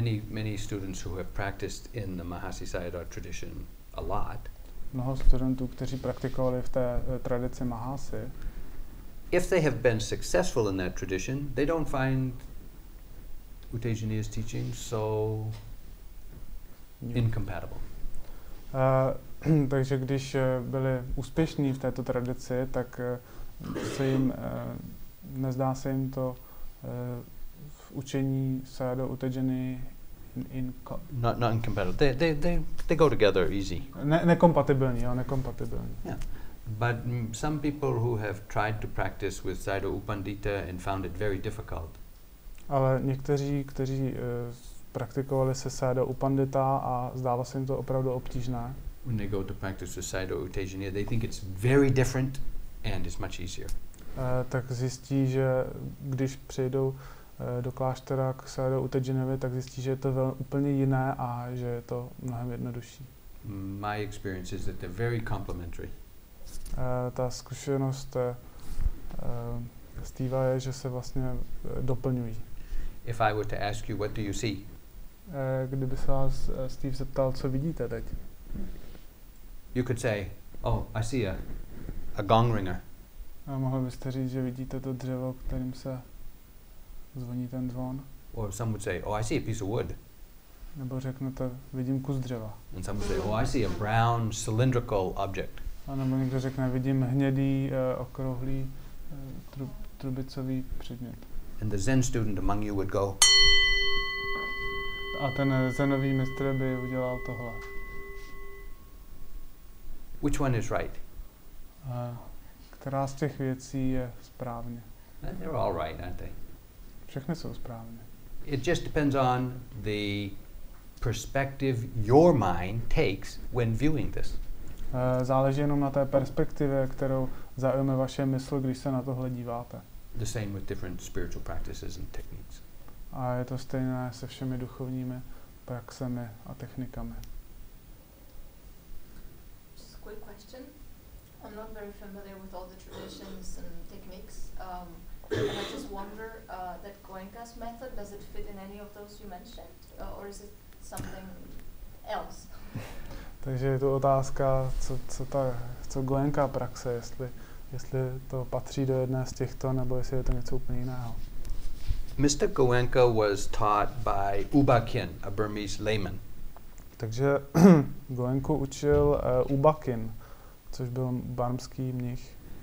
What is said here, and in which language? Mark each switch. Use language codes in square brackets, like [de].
[en] Many students who have practiced in the Mahasi Sayadaw tradition a lot. [cs] Mnoho studentů, kteří praktikovali v té tradici Mahasi. [en] If they have been successful in that tradition, they don't find Utejaniya's teaching so incompatible. [cs] Takže když byli úspěšní v této tradici, tak se jim nezdá se jim to v učení Sayadaw Utejaniya [en] not incompatible. They go together easy. [cs] Nekompatibilní. [en] Yeah. But some people who have tried to practice with Sayadaw Upandita and found it very difficult. [cs] Ale někteří, kteří praktikovali se Sayadaw Upandita a zdálo se jim to opravdu obtížné. [en] When they go to practice with Sayadaw Utejaniya, they think it's very different and it's much easier. [cs] Tak zjistí, že když přijdou do kláštera k Sayadaw Utejaniyovi, tak zjistí, že je to úplně jiné a že je to mnohem jednodušší. [en] My experience is that they're very complementary. [cs] Ta zkušenost Steva je, že se vlastně doplňují. [en] If I were to ask you, what do you see? [cs] Kdyby se vás Steve zeptal, co vidíte teď? [en] You could say, oh, I see a gong ringer. [cs] Mohl byste říct, že vidíte to dřevo, kterým se zvoní ten zvon. [en] Or some would say, oh, I see a piece of wood. [cs] Nebo řeknete, vidím kus dřeva. [en] And some would say, oh, I see a brown cylindrical object. [cs] A nebo někdo řekne, vidím hnědý, okrouhlý, trubicový předmět. [en] And the Zen student among you would go. [cs] A ten Zenový mistr by udělal tohle. [en] Which one is right? [cs] Která z těch věcí je správně? [en] And they're all right, aren't they? [cs] Všechny jsou správně. [en] It just depends on the perspective your mind takes when viewing this. [cs] Záleží jenom na té perspektivě, kterou zaujme vaše mysl, když se na tohle díváte. [en] The same with different spiritual practices and techniques. [cs] A je to stejné se všemi duchovními praxemi a technikami. [en] Just a quick question. I'm not very familiar with all the traditions and techniques. And I just wonder that Goenka's method, does it fit in any of those you mentioned? Or is it something else? [cs] Takže je tu otázka, co Goenka praxe, jestli to patří do jedné z těchto, nebo jestli je to něco úplně jiného. [en] Mr. Goenka was taught by Ubakin, a Burmese layman. [cs] Takže Goenku učil Ubakin, což byl barmský mnich.